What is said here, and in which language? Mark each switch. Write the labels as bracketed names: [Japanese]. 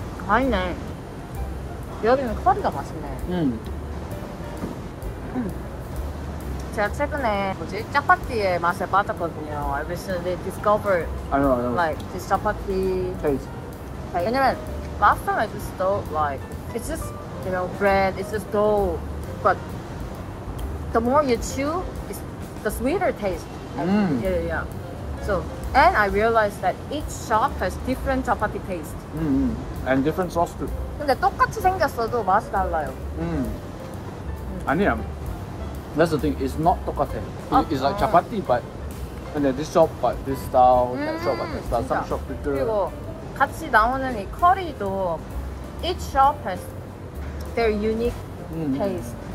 [Korean] 맛있네. 여기는 커리가 맛있네. 제가 최근에 뭐지 짜파티의 맛에 빠졌거든요. [English] I recently discovered I know. Like this chapati taste. [Korean] 왜냐면 [English] last time I just thought like it's just you know bread, it's just dough. But the more you chew, it's the sweeter taste. Mm. Yeah. So And I realized that each shop has different chapati taste. And different sauce too. [Korean] 근데 똑같이 생겼어도 맛이 달라요. 아니야. [English] That's the thing. It's not [Korean] 똑같아. [English] It's like chapati, but and then this shop, but this style, that shop, but this style. [Korean] 진짜. [English] Some shop bigger. [Korean] 그리고 같이 나오는 이 커리도 [English] each shop has their unique taste.